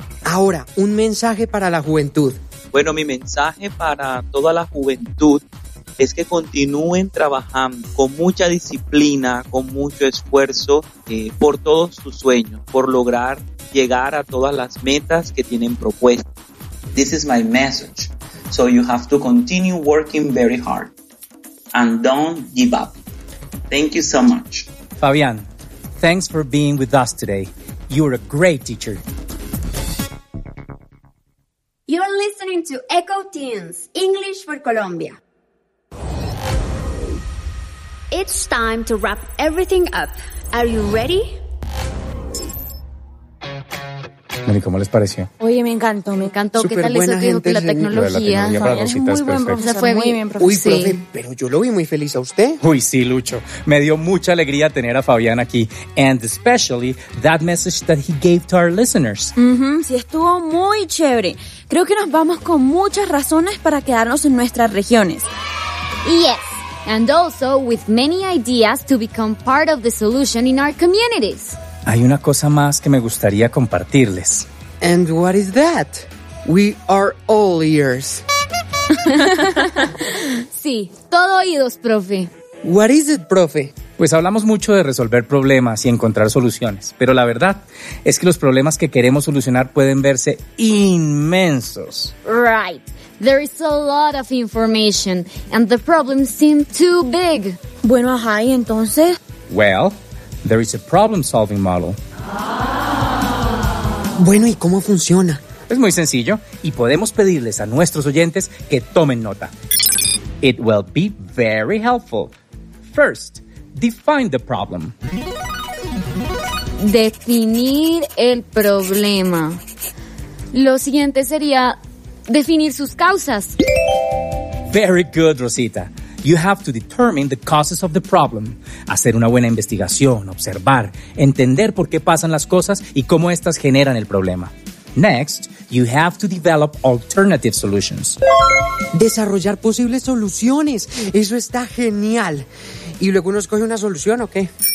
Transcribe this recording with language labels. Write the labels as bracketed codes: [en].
[es] Ahora, un mensaje para la juventud. Bueno, mi mensaje para toda la juventud es que continúen trabajando con mucha disciplina, con mucho esfuerzo por todos sus sueños, por lograr llegar a todas las metas que tienen propuestas. [en] This is my message. So you have to continue working very hard and don't give up. Thank you so much. Fabián, thanks for being with us today. You're a great teacher. You're listening to Echo Teens, English for Colombia. It's time to wrap everything up. Are you ready? [es] Bueno, ¿y cómo les pareció? Oye, me encantó. Super. ¿Qué tal eso que dijo que la tecnología? Fabián es muy buen profesor. Fue muy bien, profesor. Uy, profe, pero yo lo vi muy feliz a usted. Uy, sí, Lucho. Me dio mucha alegría tener a Fabián aquí. [en] And especially that message that he gave to our listeners. [es] Sí, estuvo muy chévere. Creo que nos vamos con muchas razones para quedarnos en nuestras regiones. [en] Yes, and also with many ideas to become part of the solution in our communities. [es] Hay una cosa más que me gustaría compartirles. [en] And what is that? We are all ears. [es] Sí, todo oídos, profe. [en] What is it, profe? [es] Pues hablamos mucho de resolver problemas y encontrar soluciones, pero la verdad es que los problemas que queremos solucionar pueden verse inmensos. [en] Right. There is a lot of information and the problems seem too big. [es] Bueno, ajá, ¿y entonces? [en] Well, there is a problem-solving model. [es] Bueno, ¿y cómo funciona? Es muy sencillo y podemos pedirles a nuestros oyentes que tomen nota. [en] It will be very helpful. First, define the problem. [es] Definir el problema. Lo siguiente sería definir sus causas. [en] Very good, Rosita. You have to determine the causes of the problem. [es] Hacer una buena investigación, observar, entender por qué pasan las cosas y cómo estas generan el problema. [en] Next, you have to develop alternative solutions. [es] Desarrollar posibles soluciones. Eso está genial. ¿Y luego uno escoge una solución o qué?